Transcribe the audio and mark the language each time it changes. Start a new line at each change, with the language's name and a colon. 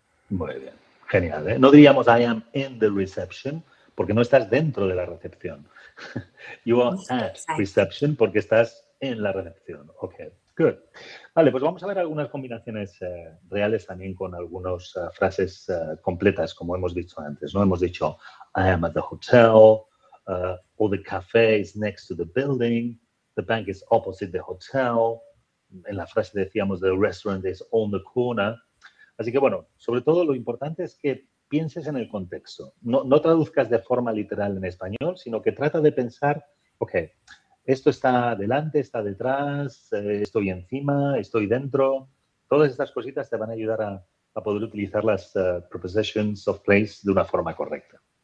Spanish: Muy bien, genial, ¿eh? No diríamos
English: I am in the reception
Spanish: porque no estás dentro de la recepción.
English: You are at
Spanish: Exacto. reception porque estás en la recepción.
English: Ok, good.
Spanish: Vale, pues vamos a ver algunas combinaciones reales también con algunas frases completas, como hemos dicho antes, ¿no? Hemos dicho
English: I am at the hotel, or the cafe is next to the building, the bank is opposite the hotel.
Spanish: En la frase decíamos
English: the restaurant is on the corner.
Spanish: Así que bueno, sobre todo lo importante es que pienses en el contexto. No traduzcas de forma literal en español, sino que trata de pensar, ok, esto está delante, está detrás, estoy encima, estoy dentro. Todas estas cositas te van a ayudar a poder utilizar las prepositions of place de una forma correcta.